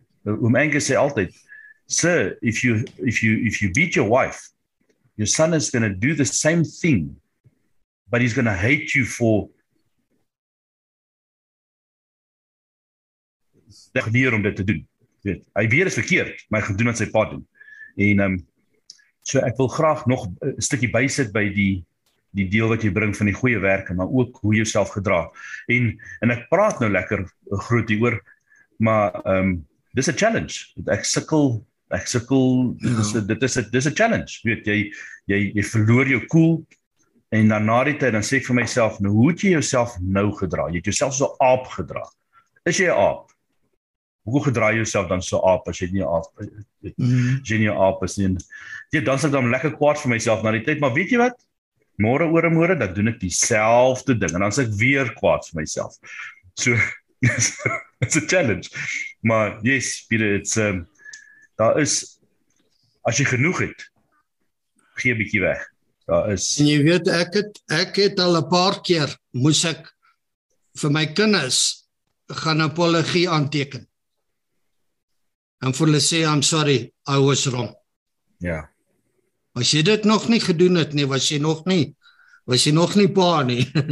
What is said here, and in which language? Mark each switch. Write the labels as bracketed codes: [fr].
[en] Oom Angus [af] sê altyd, [en] "Sir, if you beat your wife, your son is going to do the same thing, but he's going to hate you for [af] dag weer om dit te doen." Weet, hy weet is verkeerd, maar hy gaan doen wat sy pa doen. En so ek wil graag nog 'n stukkie bysit by die deel wat jy bring van die goeie werke, maar ook hoe jy jouself gedra. En ek praat nou lekker groot hier oor, maar dis 'n challenge. Ek sukkel. Dis 'n challenge. Weet jy verloor jou cool en dan na die tyd dan sê ek vir myself, nou hoe het jy jouself nou gedra? Jy het jouself so 'n aap gedra. Is jy 'n aap? Hoe gedra jy jouself dan so 'n aap as jy nie 'n aap jy nie 'n aap is nie? Ja, dan sal ek dan lekker kwaad vir myself na die tyd, maar weet jy wat? Môre oor 'n môre dan doen ek dieselfde ding en dan sal ek weer kwaad vir myself. [en] So it's a challenge. [af] Maar yes, Peter, daar is, as jy genoeg het, gee 'n bietjie weg. Daar is. En jy weet, ek het al 'n paar keer moes ek vir my kinders gaan 'n apologie aanteken. En vir hulle sê, [en] I'm sorry, I was wrong. [af] Ja. As jy dit nog nie gedoen het nie, was jy nog nie pa nie.